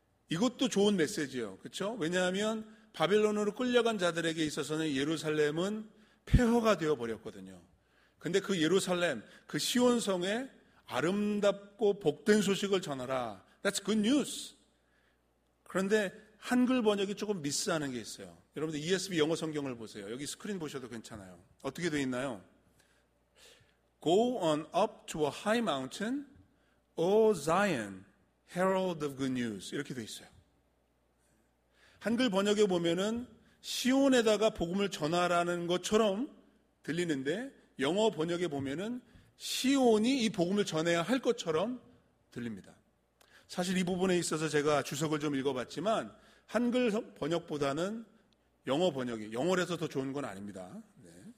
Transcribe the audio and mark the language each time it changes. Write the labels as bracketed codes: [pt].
[ko] 이것도 좋은 메시지예요. 그렇죠? 왜냐하면 바벨론으로 끌려간 자들에게 있어서는 예루살렘은 폐허가 되어버렸거든요. 근데 그 예루살렘, 그 시온성에 아름답고 복된 소식을 전하라. [en] That's good news. [ko] 그런데 한글 번역이 조금 미스하는 게 있어요. 여러분들 ESV 영어 성경을 보세요. 여기 스크린 보셔도 괜찮아요. 어떻게 되어 있나요? [en] Go on up to a high mountain, O Zion, herald of good news. [ko] 이렇게 되어 있어요. 한글 번역에 보면은 시온에다가 복음을 전하라는 것처럼 들리는데 영어 번역에 보면은 시온이 이 복음을 전해야 할 것처럼 들립니다. 사실 이 부분에 있어서 제가 주석을 좀 읽어봤지만 한글 번역보다는 영어 번역이, 영어라서 더 좋은 건 아닙니다. 네.